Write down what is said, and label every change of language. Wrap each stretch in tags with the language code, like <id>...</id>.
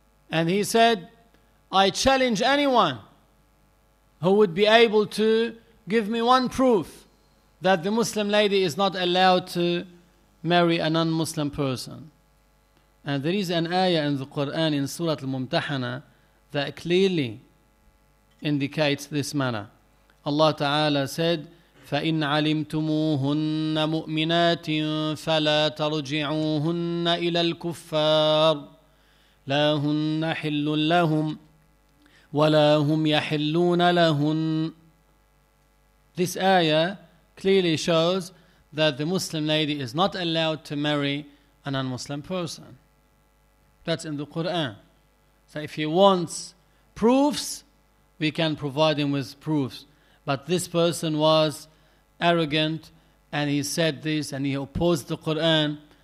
<en>And he said, I challenge anyone who would be able to give me one proof that the Muslim lady is not allowed to marry a non-Muslim person. And there is an ayah in the Quran in Surah Al-Mumtahana that clearly indicates this matter. Allah Ta'ala said,</en> <ar>فَإِنْ عَلِمْتُمُوهُنَّ مُؤْمِنَاتٍ فَلَا تَرْجِعُوهُنَّ إِلَى الْكُفَّارِ لا هن حل لهم ولا هم يحلون لهن.</ar> <en>This ayah clearly shows that the Muslim lady is not allowed to marry a non-Muslim person. That's in the Quran. So if he wants proofs, we can provide him with proofs. But this person was arrogant and he said this and he opposed the Quran.</en>